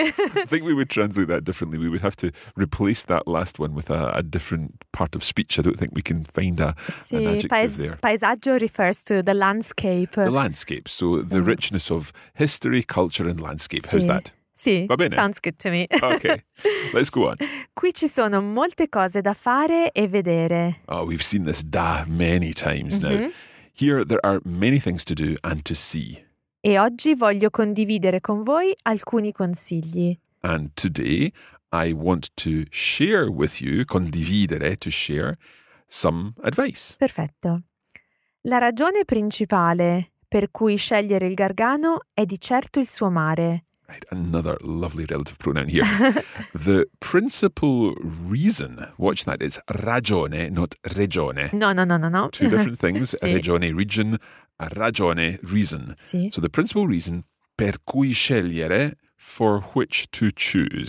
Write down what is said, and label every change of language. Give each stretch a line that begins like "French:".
English: I think we would translate that differently. We would have to replace that last one with a different part of speech. I don't think we can find an adjective there. Paesaggio refers to the landscape. The landscape. So the richness of history, culture and landscape.
Italian: Sì.
English: How's that?
Italian: Sì, va bene.
English: Sounds good to me. Okay, let's go on.
Italian: Qui ci sono molte cose da fare e vedere.
English: Oh, we've seen this da many times mm-hmm. now. Here there are many things to do and to see.
Italian: E oggi voglio condividere con voi alcuni consigli.
English: And today I want to share with you, condividere, to share, some advice.
Italian: Perfetto. La ragione principale per cui scegliere il Gargano è di certo il suo mare.
English: Right, another lovely relative pronoun here. The principal reason, watch that, is ragione, not regione. No. Two different things, sì. Regione, region, a ragione, reason.
Italian: Sì.
English: So the principal reason,
Italian: per cui scegliere,
English: for which to choose.